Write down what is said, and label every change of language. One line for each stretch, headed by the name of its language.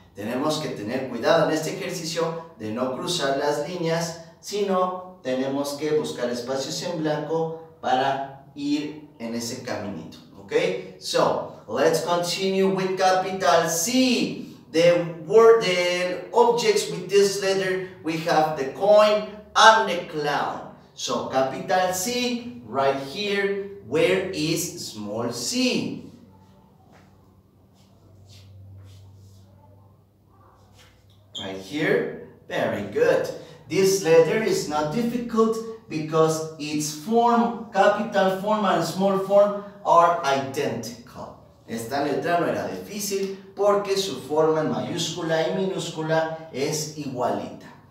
Spanish: Tenemos que tener cuidado en este ejercicio de no cruzar las líneas, sino tenemos que buscar espacios en blanco para ir en ese caminito.
English: Okay? So let's continue with capital C. The word, the objects with this letter, we have the coin and the clown. So capital C right here, where is small c? Right here, very good. This letter is not difficult because its form, capital form and small form are identical.
Spanish: Esta letra no era difícil porque su forma en mayúscula y minúscula es igualita.